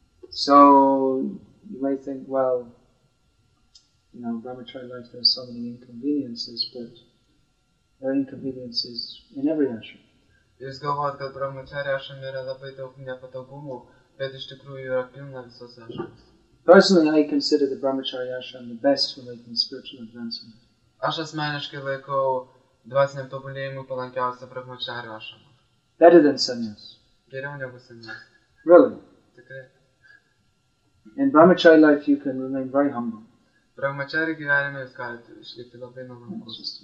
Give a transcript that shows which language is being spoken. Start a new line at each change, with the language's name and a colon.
English: So, you may think, well, brahmachari life, there are so many inconveniences, but there are inconveniences in every ashram.
Lithuanian: Jūs galvojat, kad brahmachari ashram yra labai daug nepatogumų, bet iš tikrųjų yra pilna visos ashrams.
English: Personally, I consider the brahmachari ashram the best for making spiritual advancement.
Lithuanian: Aš asmeniškai laikau dvasiniam tobulėjimui palankiausia brahmachari ashrama.
English: Better than sannyas.
Lithuanian: Geriau negu sannyas.
English: Really?
Lithuanian: Tikrai.
English: In brahmachari life, you can remain very humble.
Lithuanian: Brahmachari gyvenime jūs galite išlikti labai nuolankus.